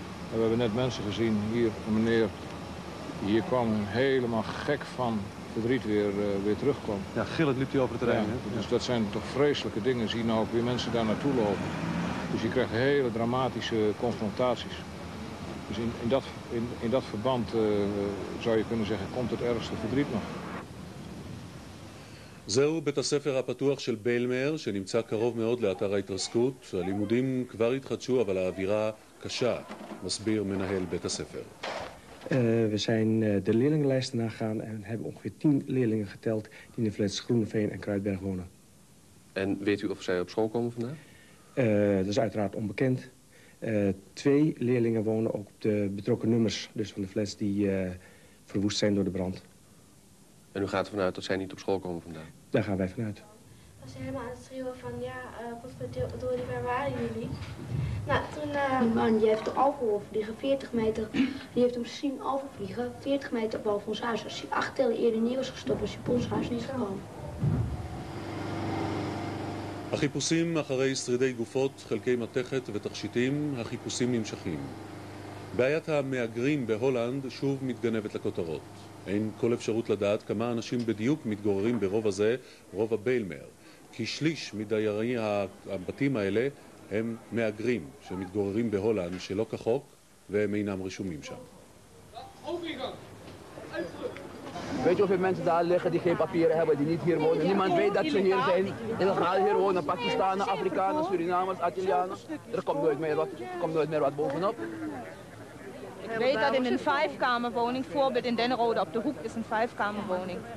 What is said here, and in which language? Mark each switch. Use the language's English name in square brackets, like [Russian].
[Dutch] En we hebben net mensen gezien hier, een meneer, die hier kwam helemaal gek van verdriet weer terugkwam. Ja, gillend liep hij over het terrein. Ja, dus dat zijn toch vreselijke dingen. Zie je nou ook weer mensen daar naartoe lopen. Dus je krijgt hele dramatische confrontaties. Dus in dat verband zou je kunnen zeggen, komt het ergste verdriet nog. [Hebrew] זהו בית הספר הפתוח של בלמר, שנמצא קרוב מאוד לאתר ההתרסקות. הלימודים כבר התחדשו, אבל האווירה קשה, מסביר מנהל בית הספר. [Dutch] We zijn de leerlingenlijsten nagegaan en hebben ongeveer 10 leerlingen geteld die in de flats Groeneveen en Kruidberg wonen. En weet u of zij op school komen vandaag? Dat is uiteraard onbekend. 2 leerlingen wonen ook op de betrokken nummers, dus van de flats die verwoest zijn door de brand. En u gaat ervan uit dat zij niet op school komen vandaag? Daar gaan wij vanuit. Was helemaal aan het schreeuwen van ja, waar waren jullie? Nou, toen een man die heeft de alcohol vliegen, 40 meter, die heeft hem zien overvliegen, 40 meter boven ons huis. Als hij 8 tellen eerder neer was gestopt, was hij op ons huis niet gekomen. [Hebrew] החיפושים אחרי שרידי גופות, חלקי מתכת ותכשיטים, החיפושים נמשכים. בעיית המאגרים בהולנד שוב מתגנבת לכותרות. אין כל אפשרות לדעת כמה אנשים בדיוק מתגוררים ברוב הזה, רוב הבלמר. כי שליש מדיירי הבתים האלה הם מאגרים שמתגוררים בהולנד שלא כחוק והם אינם רשומים שם. [Dutch] Weet je hoeveel mensen daar liggen die geen papieren hebben, die niet hier wonen? Niemand weet dat ze hier zijn. Illegaal hier wonen. Pakistanen, Afrikanen, Surinamers, Antillianen. Er komt nooit meer wat, bovenop. Ik weet dat in een vijfkamerwoning, bijvoorbeeld in Denrode op de hoek, is een vijfkamerwoning.